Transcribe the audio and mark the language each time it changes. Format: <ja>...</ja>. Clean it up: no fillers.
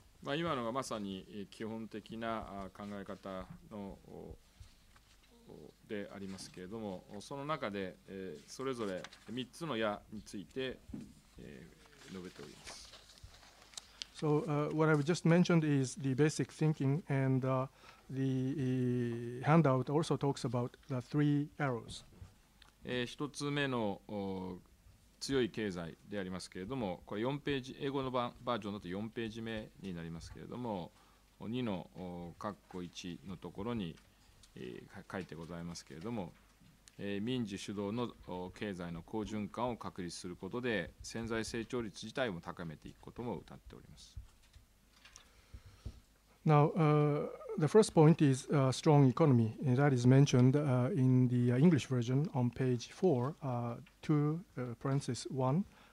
<ja>今のがまさに基本的な考え方のでありますけれども、その中でそれぞれ3つの矢について述べております。</ja> <en>So what I've just mentioned is the basic thinking, and the handout also talks about the three arrows.</en> <ja>1つ目の強い経済でありますけれども、これ4ページ、英語のバージョンだと4ページ目になりますけれども、2の括弧1のところに書いてございますけれども、民需主導の経済の好循環を確立することで、潜在成長率自体も高めていくことも謳っております。</ja> <en>Now, the first point is a strong economy. That is mentioned in the English version on page 4, two parentheses 1.</en>